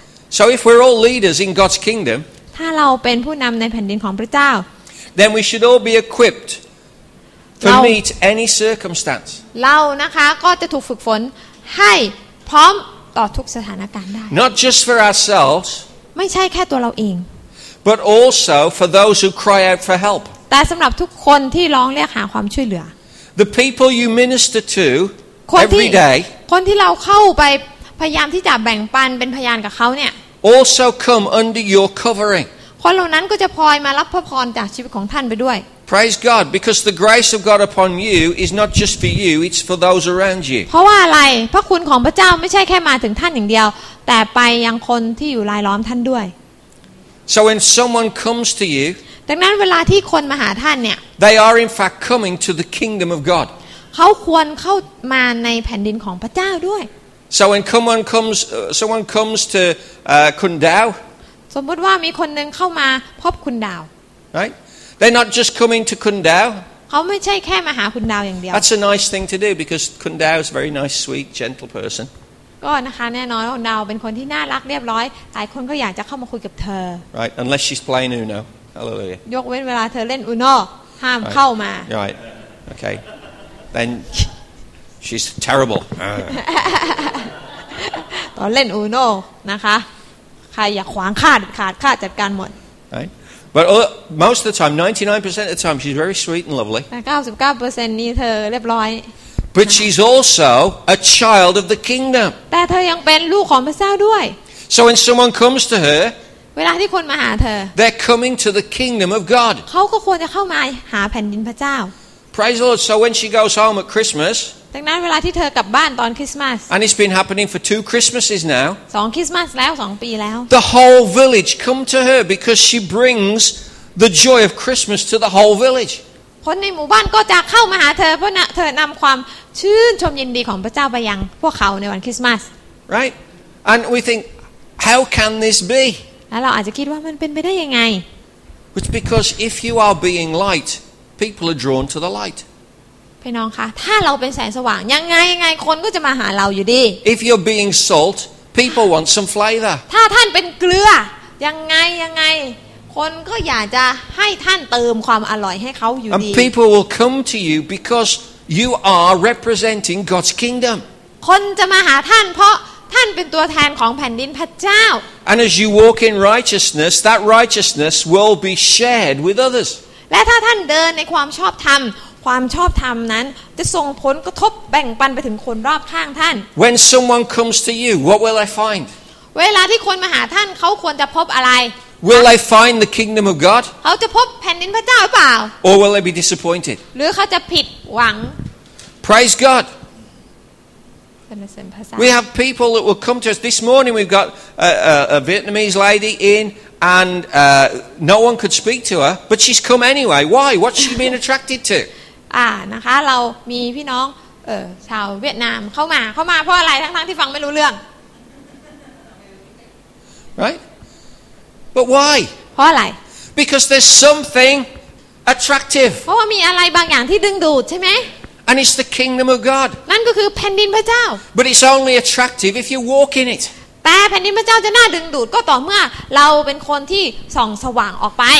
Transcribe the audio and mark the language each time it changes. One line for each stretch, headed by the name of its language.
English: So if we're all leaders in God's kingdom
Thai: ถ้าเราเป็นผู้นำในแผ่นดินของพระเจ้า
English: then we should all be equipped to meet any circumstance
Thai: เรานะคะก็จะถูกฝึกฝนให้พร้อมต่อทุกสถานการณ์ได้
English: Not just for ourselves
Thai: ไม่ใช่แค่ตัวเราเอง
English: but also for those who cry out for help
Thai: แต่สำหรับทุกคนที่ร้องเรียกหาความช่วยเหลือ
English: the people you minister to every day
Thai: คนที่เราเข้าไปพยายามที่จะแบ่งปันเป็นพยานกับเขาเนี่ย
English: also come under your covering
Thai: คนเหล่านั้นก็จะพลอยมารับพระพรจากชีวิตของท่านไปด้วย
English: praise God because the grace of God upon you is not just for you it's for those around you
Thai: เพราะว่าอะไรพระคุณของพระเจ้าไม่ใช่แค่มาถึงท่านอย่างเดียวแต่ไปยังคนที่อยู่รายล้อมท่านด้วย
English: So when someone comes to you
Thai: ดังนั้นเวลาที่คนมาหาท่านเนี่ย
English: They are in fact coming to the kingdom of God
Thai: เขาควรเข้ามาในแผ่นดินของพระเจ้าด้วย
English: So when someone comes to Kun Dao
Thai: สมมติว่ามีคนนึงเข้ามาพบคุณดาว
English: Right They're not just coming to Kun Dao
Thai: เขาไม่ใช่แค่มาหาคุณดาวอย่างเดียว
English: That's a nice thing to do because Kun Dao is a very nice sweet gentle person
Thai: ก็นะคะแน่นอนคุณดาวเป็นคนที่น่ารักเรียบร้อยหลายคนก็อยากจะเข้ามาคุยกับเธอ
English: Right unless she's playing Uno Hallelujah
Thai: ยกเว้นเวลาเธอเล่น Uno ห้ามเข้ามา
English: Right okay then she's terrible
Thai: ตอนเล่น Uno นะคะใครอยากขวางข้าขาดข้าจัดการหมด
English: Right but most of the time 99% of the time she's very sweet and lovely
Thai: 99% นี่เธอเรียบร้อย
English: But she's also a child of the kingdom.
Thai: แต่เธอยังเป็นลูกของพระเจ้าด้วย
English: So when someone comes to her,
Thai: เวลาที่คนมาหาเธอ
English: they're coming to the kingdom of God.
Thai: เขาก็ควรจะเข้ามาหาแผ่นดินพระเจ้า
English: Praise the Lord. So when she goes home at Christmas,
Thai: ดังนั้นเวลาที่เธอกลับบ้านตอนคริสต์มาส
English: and it's been happening for 2 Christmases now.
Thai: สองคริสต์มาสแล้วสองปีแล้ว
English: The whole village come to her because she brings the joy of Christmas to the whole village.
Thai: คนในหมู่บ้านก็จะเข้ามาหาเธอเพราะเธอนำความชื่นชมยินดีของพระเจ้าไปยังพวกเขาในวันคริสต์มาส
English: Right and we think how can this be
Thai: แล้วเราอาจจะคิดว่ามันเป็นไปได้ยังไง
English: Which because if you are being light people are drawn to the light
Thai: พี่น้องคะถ้าเราเป็นแสงสว่างยังไงคนก็จะมาหาเราอยู่ดี
English: If you're being salt people want some flavor
Thai: ถ้าท่านเป็นเกลือยังไงคนก็อยากจะให้ท่านเติมความอร่อยให้เขาอยู่ดี
English: And people will come to you because you are representing God's kingdom.
Thai: คนจะมาหาท่านเพราะท่านเป็นตัวแทนของแผ่นดินพระเจ้า
English: And as you walk in righteousness, that righteousness will be shared with others.
Thai: และถ้าท่านเดินในความชอบธรรมความชอบธรรมนั้นจะส่งผลกระทบแบ่งปันไปถึงคนรอบข้างท่าน
English: When someone comes to you, what will I find?
Thai: เวลาที่คนมาหาท่านเขาควรจะพบอะไร
English: Will they find the kingdom of God?
Thai: เขาจะพบแผ่นดินพระเจ้าหรือเปล่า
English: Or will they be disappointed?
Thai: หรือเขาจะผิดหวัง
English: Praise God. We have people that will come to us this morning. We've got a Vietnamese lady in, and no one could speak to her, but she's come anyway. Why? What's she been attracted to?
Thai: นะคะเรามีพี่น้องชาวเวียดนามเข้ามาเพราะอะไรทั้งที่ฟังไม่รู้เรื่อง
English: Right? But why?
Thai: เพราะอะไร
English: Because there's something attractive.
Thai: เพราะว่ามีอะไรบางอย่างที่ดึงดูดใช่ไหม
English: And it's the kingdom of God.
Thai: นั่นก็คือแผ่นดินพระเจ้า
English: But it's only attractive if you walk in it.
Thai: แต่แผ่นดินพระเจ้าจะน่าดึงดูดก็ต่อเมื่อเราเป็นคนที่ส่องสว่างออกไป